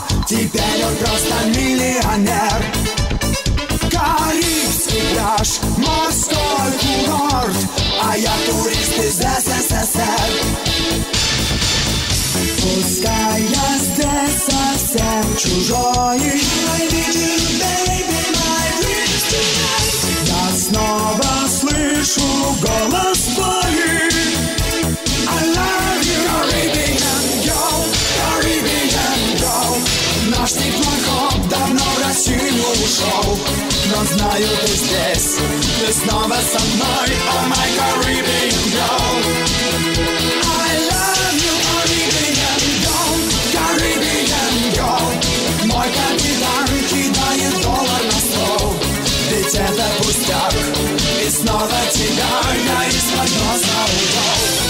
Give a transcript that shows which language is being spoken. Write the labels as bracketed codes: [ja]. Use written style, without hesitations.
[ru] теперь он просто миллионер. Карибский пляж, морской курорт, а я турист из СССР. Пускай я здесь совсем чужой, [en] I need you, baby, my dreams tonight. [ru] Я снова слышу голос твой. [en] I love you, Caribbean girl, Caribbean girl. [ru] Наш теплоход давно в Россию ушел, но знаю, ты здесь, ты снова со мной. [en] Oh, my Caribbean girl, I love you, Caribbean girl, Caribbean girl. [ru] Мой капитан кидает доллар на стол, ведь это пустяк, и снова тебя я из-под носа ушел.